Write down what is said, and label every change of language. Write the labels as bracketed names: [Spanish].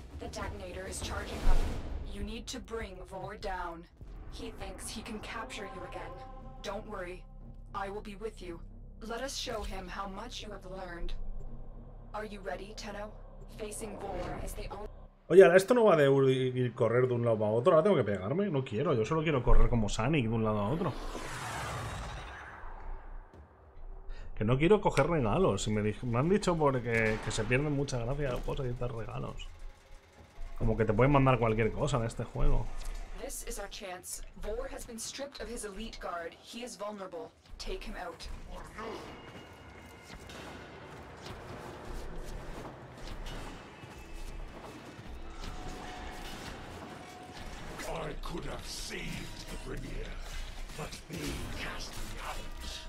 [English] generator is charging up. You need to bring Vor down. He thinks he can capture you again. Don't worry. I will be with you. Let us show him how much you have learned. Are you ready, Tenno? Facing Vor is the only... [Spanish] Oye, ahora esto no va de ir correr de un lado a otro. Ahora tengo que pegarme. No quiero. Yo solo quiero correr como Sonic de un lado a otro. Que no quiero coger regalos. Me han dicho porque que se pierden muchas gracias a los juegos de regalos. Como que te pueden mandar cualquier cosa de este juego. [English] This is our chance. Vor has been stripped of his elite guard. He is vulnerable. Take him out. I could have saved the Grenier, but they cast me out.